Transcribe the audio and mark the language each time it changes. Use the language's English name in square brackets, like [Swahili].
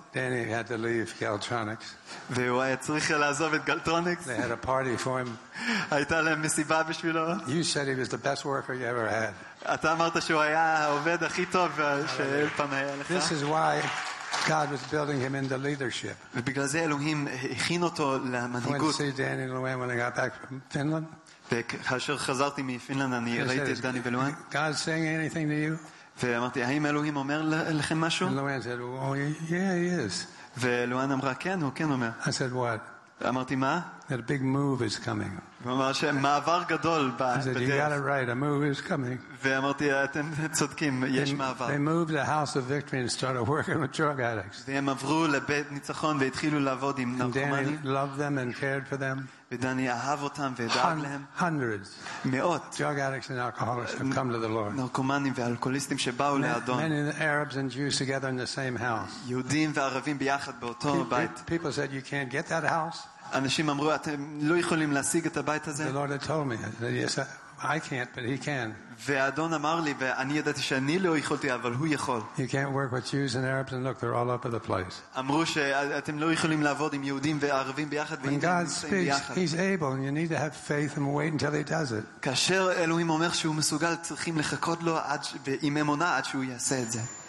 [English] Danny had to leave Galtronics. [Hebrew] והוא היה צריך לעזוב את גלטרוניקס. [English] They had a party for him. [Hebrew] הייתה להם מסיבה בשבילו. [English] You said he was the best worker you ever had. [Hebrew] אתה אמרת שהוא היה העובד הכי טוב שאי פעם היה לך. [English] This is why God was building him into leadership. [Hebrew] ובגלל זה אלוהים הכין אותו למנהיגות. [English] I went to see Danny Luan when I got back from Finland. [Hebrew] וכאשר חזרתי מפינלנד אני ראיתי את דני ולואן. [English] God saying anything to you? [Hebrew] ואמרתי, האם אלוהים אומר לכם משהו? [English] Luan said, "Oh, yeah, he is." [Hebrew] ולואן אמרה, כן, הוא כן אומר. [English] I said, "What?" [Hebrew] אמרתי, מה? [English] That a big move is coming. [Hebrew] ואמר שמעבר גדול בדרך. [English] I said, "You got it right. A move is coming." [Hebrew] ואמרתי, אתם צודקים, יש מעבר. [English] They moved the house of victory and started working with drug addicts. [Hebrew] והם עברו לבית ניצחון והתחילו לעבוד עם נרקומנים. [English] Danny loved them and cared for them. [Hebrew] ודני אהב אותם ודאג להם. [English] Hundreds. [Hebrew] מאות. [English] Drug addicts and alcoholics have come to the Lord. [Hebrew] נרקומנים ואלכוהוליסטים שבאו לאדון. [English] Many Arabs and Jews together in the same house. [Hebrew] יהודים וערבים ביחד באותו בית. [English] People said, "You can't get that house." [Hebrew] אנשים אמרו אתם לא יכולים להשיג את הבית הזה. [English] The Lord had told me that yes, I can't, but he can. [Hebrew] ואדון אמר לי ואני ידעתי שאני לא יכולתי אבל הוא יכול. [English] You can't work with Jews and Arabs and look, they're all over the place. [Hebrew] אמרו שאתם לא יכולים לעבוד עם יהודים וערבים ביחד ואינם נמצאים ביחד. [English] He's able and you need to have faith and wait until he does it. [Hebrew] כאשר אלוהים אומר שהוא מסוגל צריכים לחכות לו עד ועם אמונה עד שהוא יעשה את זה.